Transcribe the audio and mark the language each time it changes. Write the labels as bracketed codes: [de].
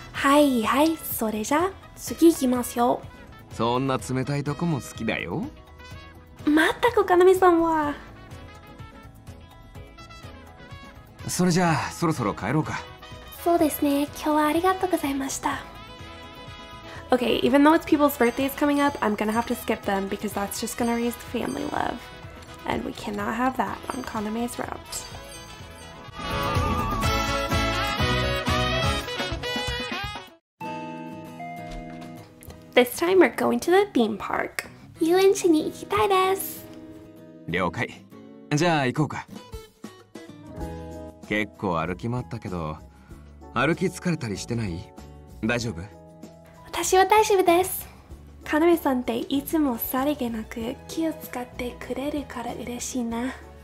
[ja] はいはい、それじゃ次行きますよ。そんな冷たいとこも好きだよ。まったく、カナメさんは。それじゃあそろそろ帰ろうか。そうですね、今日はありがとうございました。 [en] OK, even though it's people's birthdays coming up, I'm gonna have to skip them because that's just gonna raise the family love. And we cannot have that on Kaname's route. This time we're going to the theme park. [ja] 遊園地に行きたいです。了解。じゃあ行こうか。結構歩き回ったけど、歩き疲れたりしてない？大丈夫？私は大丈夫です。カナメさんっていつもさりげなく気を使ってくれるから嬉しいな。